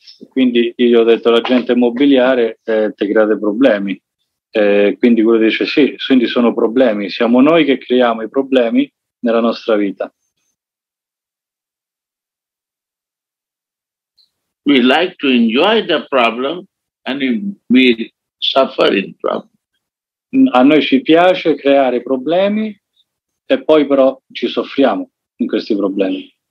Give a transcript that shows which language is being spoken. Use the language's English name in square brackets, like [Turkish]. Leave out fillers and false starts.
[Italian] Quindi io ho detto l'agente immobiliare ti crea dei problemi. Quindi quello dice sì, quindi sono problemi. Siamo noi che creiamo i problemi nella nostra vita. [English] We like to enjoy the problem and we suffer in problem. [Italian] A noi ci piace creare problemi e poi però ci soffriamo in questi problemi.